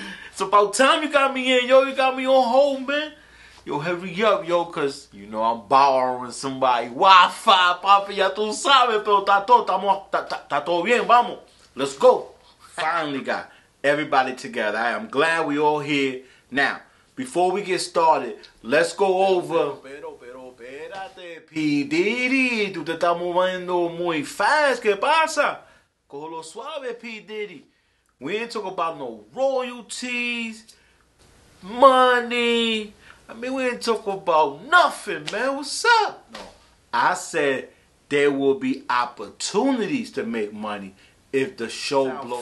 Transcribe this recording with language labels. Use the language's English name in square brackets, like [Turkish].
[English] It's about time you got me in, yo. You got me on hold, man. Yo, hurry up, yo, because, you know, I'm borrowing somebody. [Spanish] Wi-Fi, papi, ya tú sabes, pero está todo bien, vamos. [English] Let's go. Finally got everybody together. I am glad we all here. Now, before we get started, let's go over. [Spanish] Pero, espérate. P. Diddy, tú te estás moviendo muy fast. ¿Qué pasa? Cojo lo suave, P. Diddy. [English] We ain't talk about no royalties, money. I mean, we ain't talk about nothing, man. What's up? No. I said there will be opportunities to make money if the show blows.